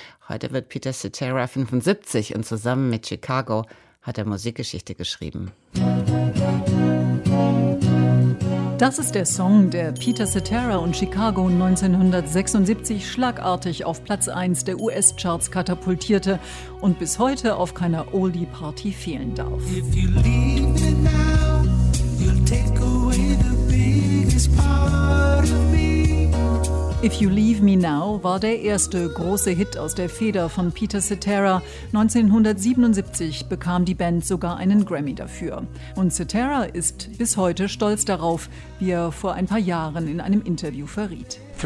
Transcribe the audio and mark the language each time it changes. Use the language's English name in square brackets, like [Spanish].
[German] Heute wird Peter Cetera 75 und zusammen mit Chicago hat er Musikgeschichte geschrieben. Das ist der Song, der Peter Cetera und Chicago 1976 schlagartig auf Platz 1 der US-Charts katapultierte und bis heute auf keiner Oldie-Party fehlen darf. [English] If you leave me now, you'll take away the biggest part of me. [German] If You Leave Me Now war der erste große Hit aus der Feder von Peter Cetera. 1977 bekam die Band sogar einen Grammy dafür. Und Cetera ist bis heute stolz darauf, wie er vor ein paar Jahren in einem Interview verriet.